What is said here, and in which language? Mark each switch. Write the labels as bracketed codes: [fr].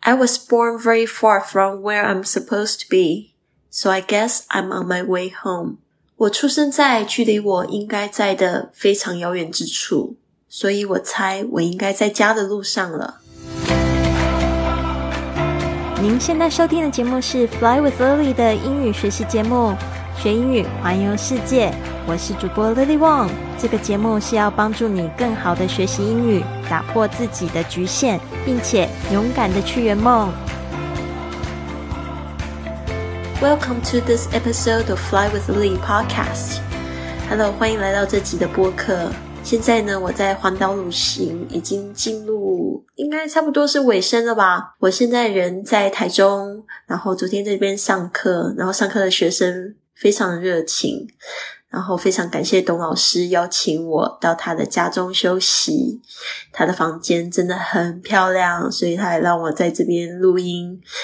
[en] I was born very far from where I'm supposed to be, so I guess I'm on my way home. [zh] 我出生在距离我应该在的非常遥远之处，所以我猜我应该在家的路上了。您现在收听的节目是 Fly with Lily 的英语学习节目，学英语环游世界。我是主播 Lily Wong， 这个节目是要帮助你更好的学习英语，打破自己的局限，并且勇敢的去圆梦。 [en] Welcome to this episode of Fly with Lily podcast. [zh] Hello, 欢迎来到这集的播客。现在呢，我在环岛旅行已经进入，应该差不多是尾声了吧。我现在人在台中，然后昨天在这边上课，然后上课的学生非常热情，然后非常感谢董老师邀请我到他的家中休息，他的房间真的很漂亮，所以他还让我在这边录音。